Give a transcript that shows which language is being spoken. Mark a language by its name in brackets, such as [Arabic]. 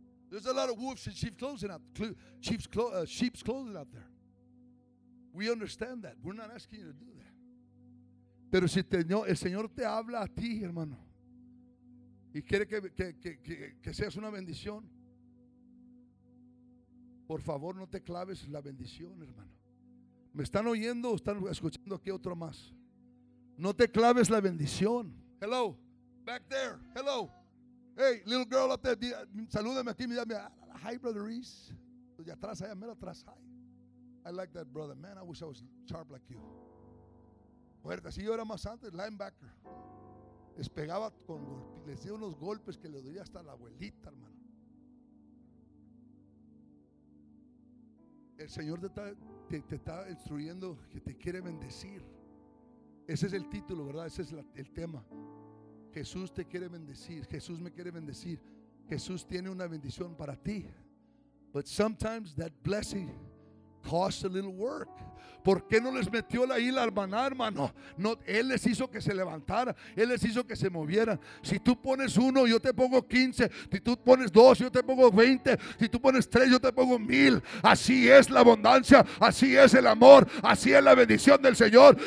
[English] There's a lot of wolves in sheep's clothing out there. We understand that. We're not asking you to do that. [Spanish] Pero si el Señor te habla a ti, hermano, y quiere que seas una bendición, por favor no te claves la bendición, hermano. ¿Me están oyendo o están escuchando aquí otro más? No te claves la bendición. [English] Hello, back there. Hello. Hey, little girl up there. [Spanish] Salúdame aquí. [English] Hi, brother Reese. [Spanish] De atrás, allá, mero atrás. [English] Hi. I like that, brother. Man, I wish I was sharp like you. [Spanish] Fuerte. Si yo era más antes, linebacker. Les pegaba con golpes. Les dio unos golpes que le dolía hasta la abuelita, hermano. El Señor te está instruyendo que te quiere bendecir. Ese es el título, ¿verdad? Ese es el tema. Jesús te quiere bendecir. Jesús me quiere bendecir. Jesús tiene una bendición para ti. [English] But sometimes that blessing costs a little work. [Spanish] ¿Por qué no les metió la isla al maná, hermano? No, él les hizo que se levantara. Él les hizo que se moviera. Si tú pones uno, yo te pongo 15. Si tú pones dos, yo te pongo 20. Si tú pones tres, yo te pongo 1,000. Así es la abundancia. Así es el amor. Así es la bendición del Señor.